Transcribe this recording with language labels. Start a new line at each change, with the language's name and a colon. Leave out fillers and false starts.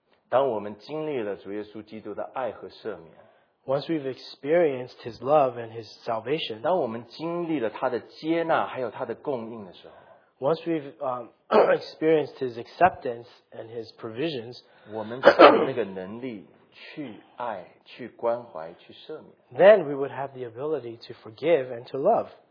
Chinese: 当我们经历了主耶稣基督的爱和赦免,
English: once we've experienced His love and His salvation,
Chinese: 当我们经历了他的接纳还有他的供应的时候,
English: once we've experienced His acceptance and His provisions,
Chinese: 我们才有那个能力去爱, 去关怀, 去赦免,
English: then we would have the ability to forgive and to love.